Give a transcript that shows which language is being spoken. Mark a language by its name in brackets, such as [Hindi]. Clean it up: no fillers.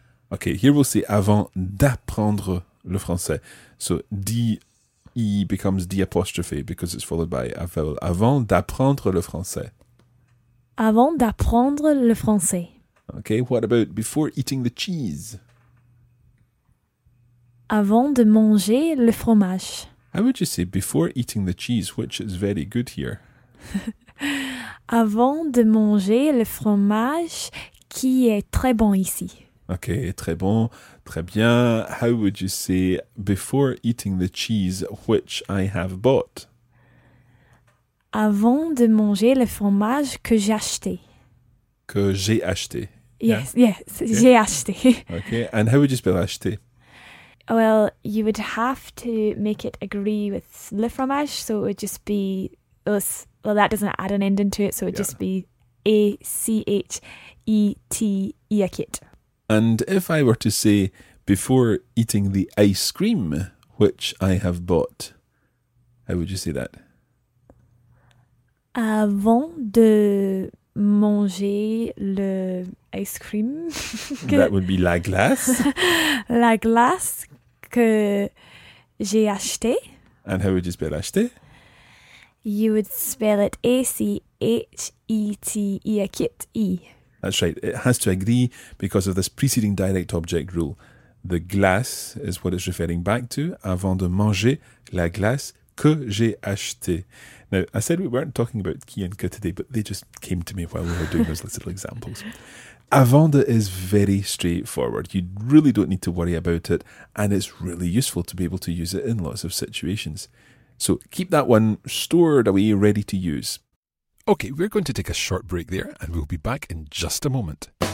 [English] Okay, here we'll say [French] avant d'apprendre le français. [English] So D-E becomes D apostrophe because it's followed by a vowel. [French] Avant d'apprendre le français. Avant d'apprendre le français. [English] Okay, what about before eating the cheese? [French] Avant de manger le fromage. [English] How would you say before eating the cheese, which is very good here? [French] Avant de manger le fromage qui est très bon ici. Okay, très bon, très bien. [English] How would you say before eating the cheese which I have bought? [French] Avant de manger le fromage que j'ai acheté. Que j'ai acheté. [English] Yes, okay. [French] J'ai acheté. [English] Okay, and how would you spell acheté? Well, you would have to make it agree with le fromage, so it would just be... Well, that doesn't add an end into it, so it would just be A-C-H-E-T-E-A-K-I-T. And if I were to say, before eating the ice cream, which I have bought, how would you say that? [French] Avant de manger le ice cream. [English] That would be la glace. [French] La glace que j'ai acheté. [English] And how would you spell acheté? You would spell it A-C-H-E-T-E-A-K-I-T-E. That's right. It has to agree because of this preceding direct object rule. The glace is what it's referring back to. [French] Avant de manger la glace que j'ai acheté. [English] Now, I said we weren't talking about qui and que today, but they just came to me while we were doing those little examples. Avant de is very straightforward. You really don't need to worry about it. And it's really useful to be able to use it in lots of situations. So keep that one stored away, ready to use. Okay, we're going to take a short break there and we'll be back in just a moment.